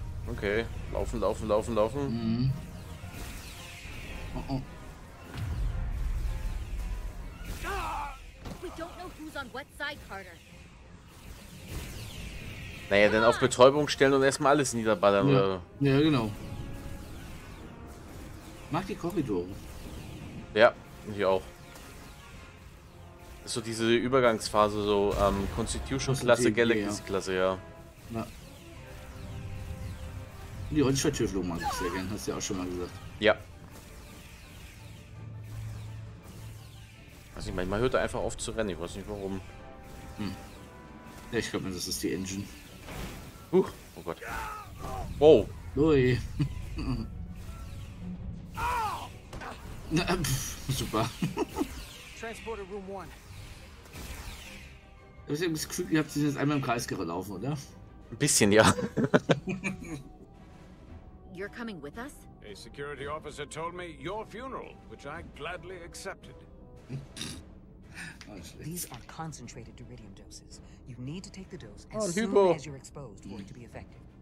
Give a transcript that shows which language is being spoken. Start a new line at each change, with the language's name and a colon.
German: Okay, laufen, laufen, laufen, laufen.
English: We don't know who's on what side, Carter.
German: Naja, denn auf Betäubung stellen und erstmal alles niederballern, ja. Oder? Ja, genau. Mach die Korridore. Ja, ich auch. So diese Übergangsphase, so Constitution-Klasse, Galaxy-Klasse, ja. Ja. Und die Rollstuhl-Tür-Flug mag ich sehr gern, hast du ja auch schon mal gesagt. Ja. Also manchmal hört er einfach auf zu rennen, ich weiß nicht warum. Ja, ich glaube, das ist die Engine. Huch, oh Gott. Wow. Ui. Super.
English: Transporter Room 1.
German: Du hast ja das Gefühl, ihr habt sich jetzt einmal im Kreis gelaufen, oder? Ein bisschen, ja.
English: You're coming with us? A security officer told me your funeral, which I gladly accepted. These are concentrated deridium doses. You need to take the dose as soon as you're exposed for it to be effective.